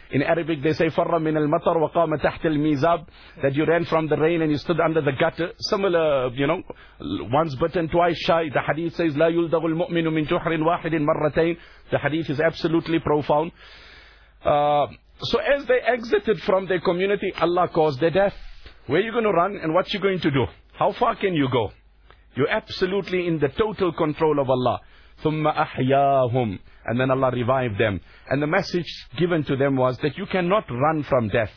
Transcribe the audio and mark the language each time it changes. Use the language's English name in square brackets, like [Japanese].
[English] In Arabic they say, [Arabic] فَرَّ مِنَ الْمَطَرْ وَقَامَ تَحْتِ الْمِيزَابِ. [English] That you ran from the rain and you stood under the gutter. Similar, you know, once bitten, twice shy. The hadith says, [Arabic] لَا يُلْدَغُ الْمُؤْمِنُ مِنْ جُحْرٍ وَاحِدٍ مَرَّتَيْنِ. [English] The hadith is absolutely profound. So as they exited from their community, Allah caused their death. Where are you going to run and what are you going to do? How far can you go? You're absolutely in the total control of Allah. [Arabic] ثُمَّ أَحْيَاهُمْ. [English] And then Allah revived them. And the message given to them was that you cannot run from death.